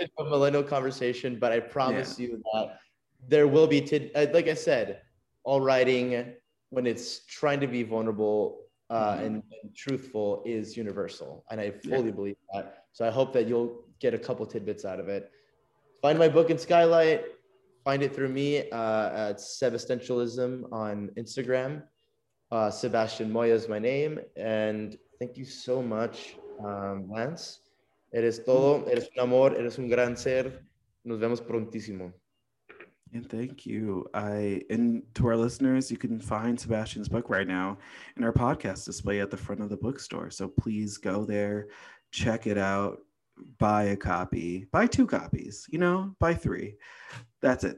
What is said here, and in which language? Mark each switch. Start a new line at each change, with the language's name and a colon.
English: millennial conversation, but I promise you that there will be, like I said, all writing, when it's trying to be vulnerable and truthful, is universal. And I fully believe that. So I hope that you'll get a couple tidbits out of it. Find my book in Skylight. Find it through me at Sevestentialism on Instagram. Sebastian Moya is my name. And thank you so much, Lance.
Spanish: Eres todo, eres un amor, eres un gran ser. Nos vemos prontísimo.
English: And thank you. And to our listeners, you can find Sebastian's book right now in our podcast display at the front of the bookstore. So please go there, check it out, buy a copy, buy two copies, you know, buy three. That's it.